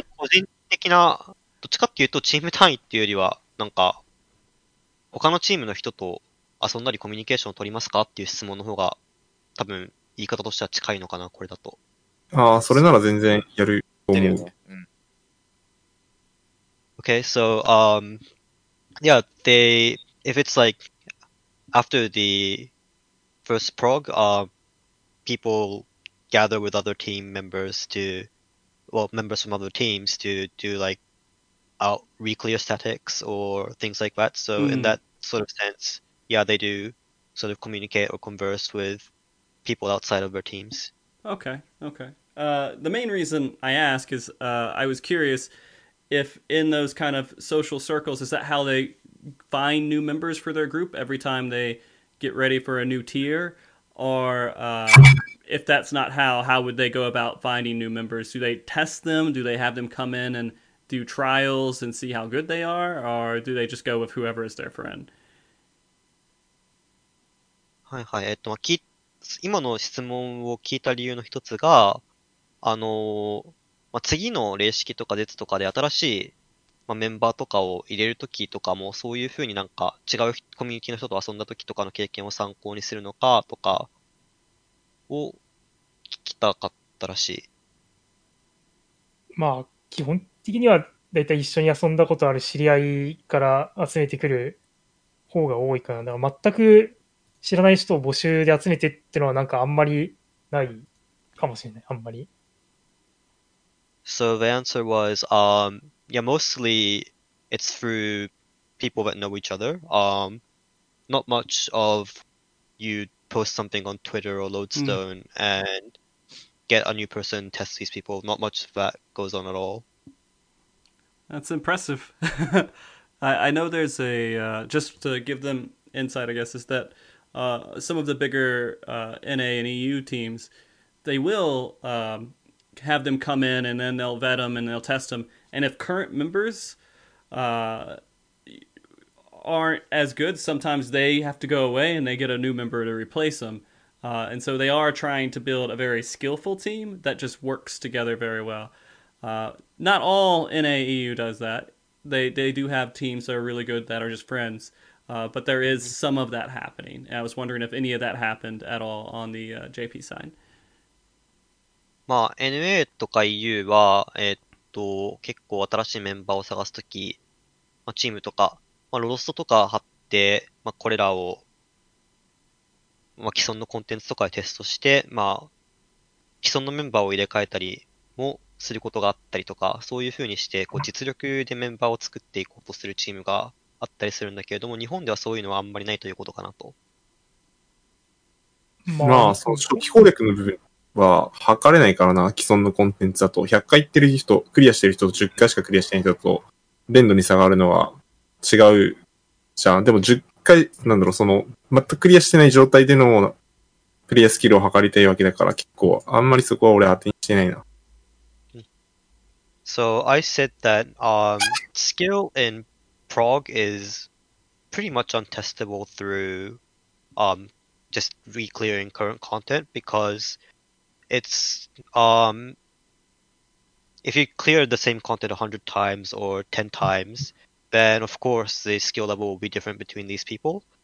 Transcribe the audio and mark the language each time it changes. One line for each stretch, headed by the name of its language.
Japanese: 個人的な、どっちかっていうとチーム単位っていうよりは、なんか、他のチームの人と遊んだりコミュニケーションを取りますかっていう質問の方が、多分、言い方としては近いのかな、これだと。ああ、それなら全然やると思う。う
English: ん、okay, so, yeah, if it's like, after the first prog, people gather with other team members members from other teams to do like weekly aesthetics or things like that. So in that sort of sense, yeah, they do sort of communicate or converse with people outside of their teams. Okay, okay. The main reason I ask is I was curious if in those kind of social circles, is that how they find new members for their group every time they get ready for a new tier? Or if that's not how would they go about finding new members? Do they test them? Do they have them come in and do trials and see how good they are? Or do they just go with whoever is their friend?
Japanese: はいはい。今の質問を聞いた理由の一つが、まあ、次の霊式とか絶とかで新しい、まあ、メンバーとかを入れるときとかも、そういうふうになんか違うコミュニティの人と遊んだときとかの経験を参考にするのかとかを聞きたかったらしい。まあ、基本的にはだいたい一緒に遊んだことある知り合いから集めてくる方が多いかな。だから全く知らない人を募集で集めてってのはなんかあんまりないかもしれない。あんまり。
English: So the answer was, yeah, mostly it's through people that know each other. Not much of you post something on Twitter or Lodestone and get a new person, test these people. Not much of that goes on at all. That's impressive. I know there's a, just to give them insight, I guess, is that some of the bigger NA and EU teams, they will have them come in and then they'll vet them and they'll test them. And if current members aren't as good, sometimes they have to go away and they get a new member to replace them. And so they are trying to build a very skillful team that just works together very well. Not all NAEU does that. They do have teams that are really good that are just friends. But there is some of that happening. And I was wondering if any of that happened at all on the JP side.
Japanese: まあ、NA とか EU は、結構新しいメンバーを探すとき、まあ、チームとか、まあ、ロロストとか貼って、まあ、これらを、まあ、既存のコンテンツとかでテストして、まあ、既存のメンバーを入れ替えたりもすることがあったりとか、そういうふうにして、こう、実力でメンバーを作っていこうとするチームがあったりするんだけれども、日本ではそういうのはあんまりないということかなと。まあ、その初期攻略の部分。は、測れないからな、既存のコンテンツだと。 100回行ってる人、クリアしてる人と10回しかクリアしてない人と、連動に差があるのは違うじゃん。でも10回、なんだろう、その、全くクリアしてない状態での、クリアスキルを測りたいわけだから、結構、あんまりそこは俺当てにしてないな。
English: So, I said that, skill in Prague is pretty much untestable through, just re-clearing current content, because,It's, if you clear the same content 100 times or 10 times, then of course the skill level will be different between these people.